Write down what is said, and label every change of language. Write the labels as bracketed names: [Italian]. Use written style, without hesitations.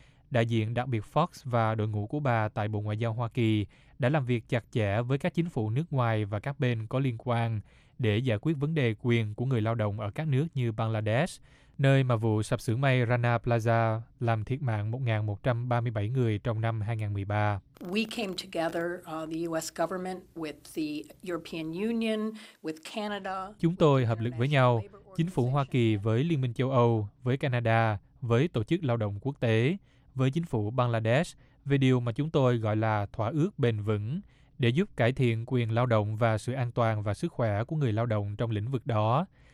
[Vietnamese] Đại diện đặc biệt Fox và đội ngũ của bà tại Bộ Ngoại giao Hoa Kỳ đã làm việc chặt chẽ với các chính phủ nước ngoài và các bên có liên quan để giải quyết vấn đề quyền của người lao động ở các nước như Bangladesh, nơi mà vụ sập xưởng may Rana Plaza làm thiệt mạng 1.137 người trong năm 2013. [English] We came together, the US government with the European Union, with Canada. [Vietnamese] Chúng tôi hợp lực với nhau, chính phủ Hoa Kỳ với Liên minh châu Âu, với Canada, với Tổ chức Lao động Quốc tế, với chính phủ Bangladesh về điều mà chúng tôi gọi là thỏa ước bền vững để giúp cải thiện quyền lao động và sự an toàn và sức khỏe của người lao động trong lĩnh vực đó.